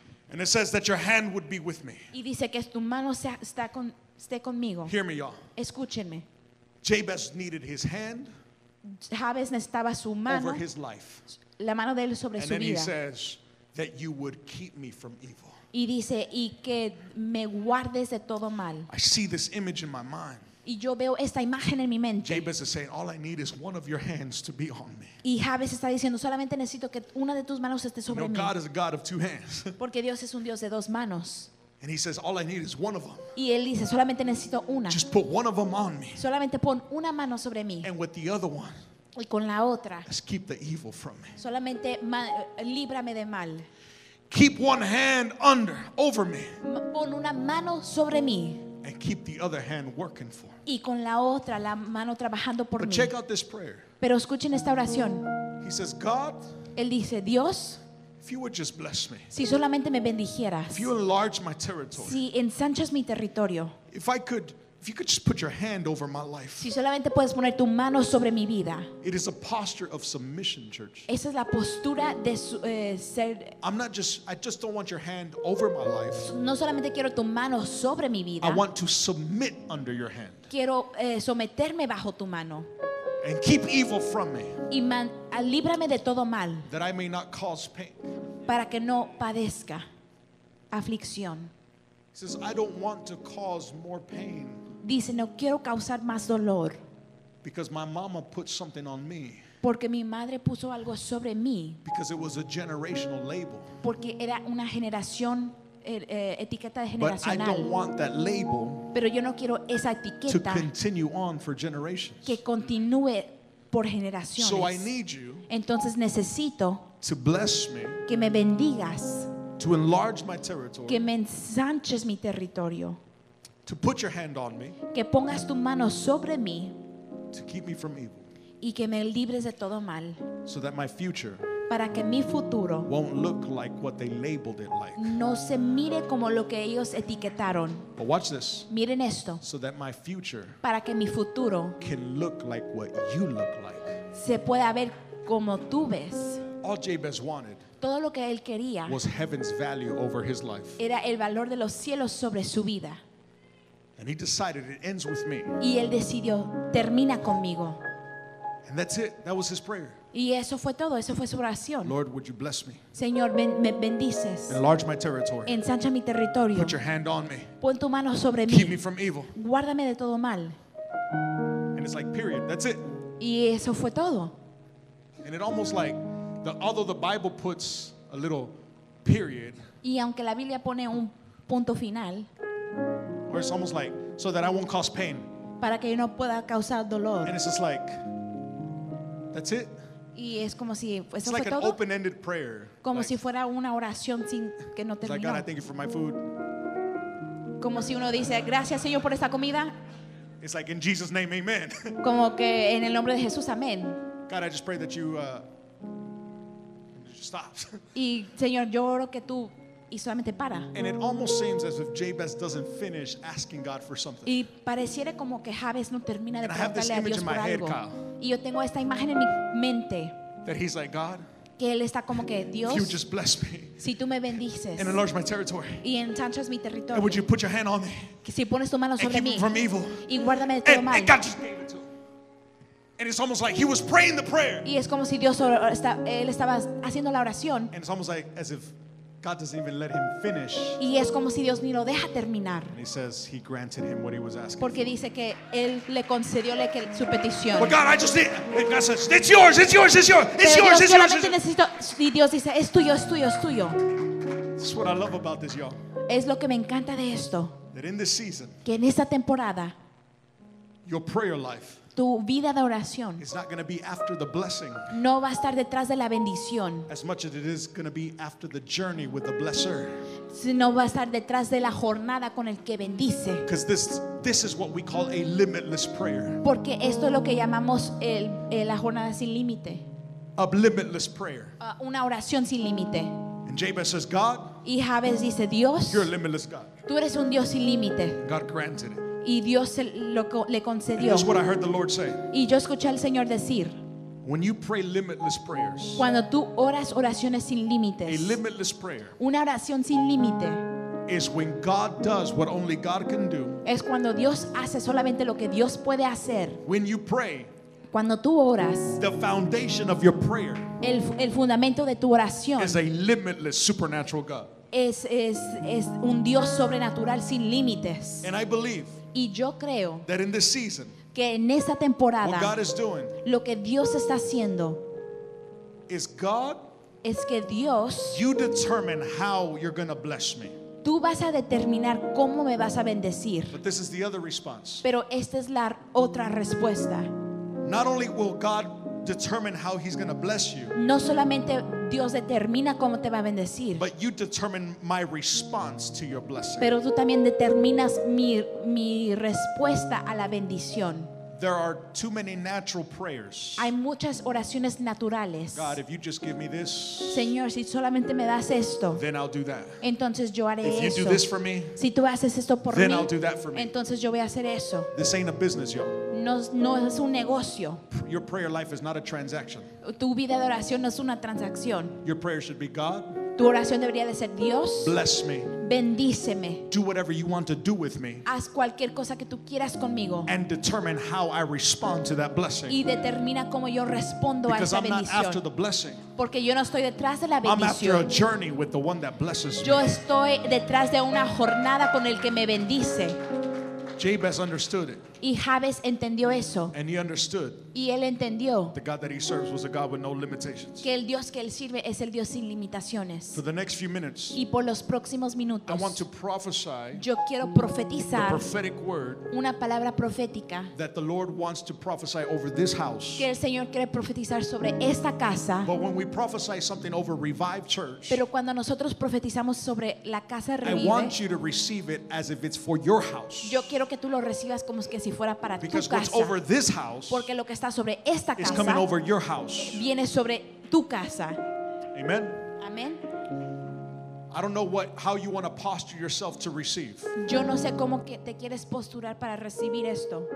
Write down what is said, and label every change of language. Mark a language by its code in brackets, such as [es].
[en] And it says that your hand would be with me. [es] Y dice que tu mano esté conmigo. [en] Hear me, y'all. [es] Escúchenme. [en] Jabez needed his hand. [es] Jabez necesitaba su mano. [en] Over his life. [es] La mano de él sobre [en] and [es] su vida. [en] And then he says that you would keep me from evil. [es] Y dice y que me guardes de todo mal. [en] I see this image in my mind. [es] Y yo veo esta imagen en mi mente. [en] Jabez is saying, all I need is one of your hands to be on me. [es] Y Jabez está diciendo, solamente necesito que una de tus manos esté sobre [en] you know, [es] mí. [en] God is a God of two hands. [es] Porque Dios es un Dios de dos manos. [en] And he says, all I need is one of them. [es] Y él dice, solamente necesito una. [en] Just put one of them on me. [es] Solamente pon una mano sobre mí. [en] And with the other one. [es] Y con la otra. [en] Just keep the evil from me. [es] Solamente líbrame de mal. [en] Keep one hand over me. [es] Pon una mano sobre mí. [en] and keep the other hand working for him. [es] Y con la otra, la mano trabajando por [en] but [es] mí. [en] Check out this prayer. [es] Pero escuchen esta oración. [en] He says, God, [es] él dice, Dios, [en] if you would just bless me, [es] si solamente me bendijeras, [en] if you enlarge my territory, [es] si ensanchas mi territorio, [en] if I could, if you could just put your hand over my life, [es] si solamente puedes poner tu mano sobre mi vida, [en] it is a posture of submission, church. [es] Esa es la postura de ser. [en] I'm not just, I just don't want your hand over my life. [es] No solamente quiero tu mano sobre mi vida. [en] I want to submit under your hand. [es] Quiero someterme bajo tu mano. [en] And keep evil from me. [es] Y líbrame de todo mal. [en] That I may not cause pain. [es] Para que no padezca aflicción. [en] He says, I don't want to cause more pain. [es] Dice, no quiero causar más dolor. [en] Because my mama put something on me. [es] Porque mi madre puso algo sobre mí. [en] Because it was a generational label. [es] Porque era una generación. Etiqueta generacional. [en] But I don't want that label. [es] Pero yo no quiero esa etiqueta. [en] To continue on for generations. [es] Que continúe por generaciones. [en] So I need you. [es] Entonces necesito. [en] To bless me. [es] Que me bendigas. [en] To enlarge my territory. [es] Que me ensanches mi territorio. [en] To put your hand on me. [es] Que pongas tu mano sobre mí. [en] To keep me from evil. [es] Y que me libres de todo mal. [en] So that my future. [es] Para que mi futuro [en] won't look like what they labeled it like. [es] No se mire como lo que ellos etiquetaron. [en] But watch this. [es] Miren esto. [en] So that my future [es] para que mi futuro [en] can look like what you look like. [es] Se pueda ver como tú ves. [en] All Jabez wanted [es] todo lo que él quería [en] was heaven's value over his life. [es] Era el valor de los cielos sobre su vida. [en] And he decided it ends with me. [es] Y él decidió termina conmigo. [en] And that's it. That was his prayer. [es] Y eso fue todo, eso fue su oración. [en] Lord, would you bless me? [es] Señor, me bendices. [en] Enlarge my territory. [es] Ensancha mi territorio. [en] Put your hand on me. [es] Pon tu mano sobre [en] keep [es] mí. [en] Keep me from evil. [es] Guárdame de todo mal. [en] And it's like period. That's it. [es] Y eso fue todo. [en] And it almost like the although the Bible puts a little period. [es] Y aunque la Biblia pone un punto final. [en] Or it's almost like so that I won't cause pain. [es] Para que yo no pueda causar dolor. [en] And it's just like that's it. [es] Y es como si [en] it's like [es] fue todo. [en] An open-ended prayer. [es] Como [en] like, [es] si fuera una oración sin que no terminó. [en] Like God, I thank you for my food. [es] Como si uno dice gracias Señor por esta comida. [en] It's like in Jesus' name, amen. [es] Como que en el nombre de Jesús, amén. [en] God, I just pray that you stop. [es] Y Señor, yo oro que tú y solamente para. [en] And it almost seems as if Jabez doesn't finish asking God for something. [es] Y pareciera como que Jabez no termina de preguntarle a Dios por algo. [en] And I have this image in my head, Kyle. [es] Y yo tengo esta imagen en mi mente. [en] That he's like, God, [es] que él está como que Dios. [en] If you just bless me, [es] si tú me bendices. [en] And enlarge my territory. [es] Y ensanchas mi territorio. [en] And would you put your hand on me? [es] Que si pones tu mano sobre [en] mí. And keep me from evil. [es] Y guárdame de todo mal. [en] And God just gave it to him. And it's almost like he was praying the prayer. [es] Y es como si Dios él estaba haciendo la oración. [en] And it's almost like as if God doesn't even let him finish. [es] Y es como si Dios ni lo deja terminar. [en] And he says he granted him what he was asking. [es] Porque dice que él le concedió su petición. [en] But God, I just need. God says, it's yours. It's yours. It's yours. It's yours. It's yours. [es] Solamente necesito. Y Dios dice, es tuyo. Es tuyo. Es tuyo. [en] This is what I love about this, y'all. [es] Es lo que me encanta de esto. [en] That in this season. [es] Que en esta temporada. [en] Your prayer life. [es] Tu vida de oración. [en] It's not going to be after the blessing. [es] No va a estar detrás de la bendición. [en] As much as it is going to be after the journey with the blesser. [es] Sino va a estar detrás de la jornada con el que bendice. [en] Because this is what we call a limitless prayer. [es] Porque esto es lo que llamamos la jornada sin límite. [en] A limitless prayer. [es] Una oración sin límite. [en] And Jabez says, God. [es] Y Jabez dice, Dios. [en] You're a limitless God. [es] Tú eres un Dios sin límite. [en] God granted it. [es] Y Dios le concedió. [en] And what I heard the Lord say. [es] Y yo escuché al Señor decir. [en] When you pray limitless prayers. [es] Cuando tú oras oraciones sin límites. [en] A limitless prayer. [es] Una oración sin límite. [en] Is when God does what only God can do. [es] Es cuando Dios hace solamente lo que Dios puede hacer. [en] When you pray. [es] Cuando tú oras. [en] The foundation of your prayer. [es] El fundamento de tu oración. [en] Is a limitless supernatural God. [es] Es un Dios sobrenatural sin límites. [en] And I believe. [es] Y yo creo [en] that in this season, [es] que en esta temporada [en] what God is doing, [es] lo que Dios está haciendo [en] is God, [es] es que Dios [en] you determine how you're gonna bless me. [es] Tú vas a determinar cómo me vas a bendecir. [en] But this is the other response. [es] Pero esta es la otra respuesta. [en] Not only will God determine how he's going to bless you. [es] No solamente Dios determina cómo te va a bendecir. [en] But you determine my response to your blessing. [es] Pero tú también determinas mi respuesta a la bendición. [en] There are too many natural prayers. [es] Hay muchas oraciones naturales. [en] God, if you just give me this, [es] Señor, si solamente me das esto, [en] then I'll do that. [es] Entonces yo haré [en] if [es] eso. [en] You do this for me, [es] si tú haces esto por [en] then [es] mí, [en] I'll do that for me. [es] Entonces yo voy a hacer eso. [en] This ain't a business, yo. [es] No es un negocio. [en] Your prayer life is not a transaction. [es] Tu vida de oración no es una transacción. [en] Your prayer should be God. [es] Tu oración debería de ser Dios. [en] Bless me. [es] Bendíceme. [en] Do whatever you want to do with me. [es] Haz cualquier cosa que tú quieras conmigo. [en] And determine how I respond to that blessing. [es] Y determina cómo yo respondo [en] because [es] a esa bendición. [en] Because I'm not after the blessing. [es] Porque yo no estoy detrás de la bendición. [en] I'm after a journey with the one that blesses [es] yo [en] me. [es] Yo estoy detrás de una jornada con el que me bendice. [en] Jabez understood it. [es] Y Jabez entendió eso. [en] And he understood. [es] Y él entendió. [en] The God that he serves was a God with no limitations. [es] Que el Dios que él sirve es el Dios sin limitaciones. [en] For the next few minutes. [es] Y por los próximos minutos. [en] I want to prophesy. [es] Yo quiero profetizar. [en] A prophetic word. [es] Una palabra profética. [en] That the Lord wants to prophesy over this house. [es] Que el Señor quiere profetizar sobre esta casa. [en] But when we prophesy something over Revive Church. [es] Pero cuando nosotros profetizamos sobre la casa de Revive. [en] I want you to receive it as if it's for your house. [es] Yo quiero que tú lo recibas como que si fuera para [en] because [es] tu casa. [en] What's over this house [es] porque lo que está sobre esta casa [en] is coming over your house. [es] Viene sobre tu casa. [en] Amen. [es] Amen. [en] I don't know what how you want to posture yourself to receive. [es] Yo no sé cómo que te quieres posturar para recibir esto.